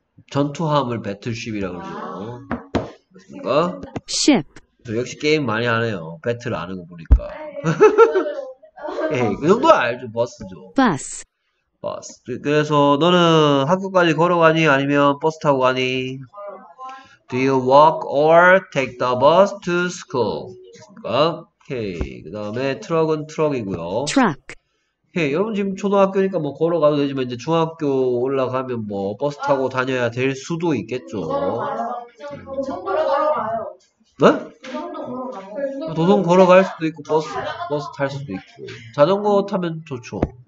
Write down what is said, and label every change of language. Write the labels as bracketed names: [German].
[Korean] 전투함을 배틀쉽이라고 그러죠. 그니까? 쉽. 저 역시 게임 많이 하네요. 배틀 아는 거 보니까. 에이, 그 정도 알죠. 버스죠. 버스. 버스. 그래서 너는 학교까지 걸어가니? 아니면 버스 타고 가니? [English] Do you walk or take the bus to school? [Korean] 그니까? 오케이. 그 다음에 트럭은 트럭이고요. 트럭. 예, 여러분 지금 초등학교니까 뭐 걸어가도 되지만 이제 중학교 올라가면 뭐 버스 타고 다녀야 될 수도 있겠죠. 걸어가요. 네? 걸어가요. 도성 걸어갈 수도 있고 버스 탈 수도 있고 자전거 타면 좋죠.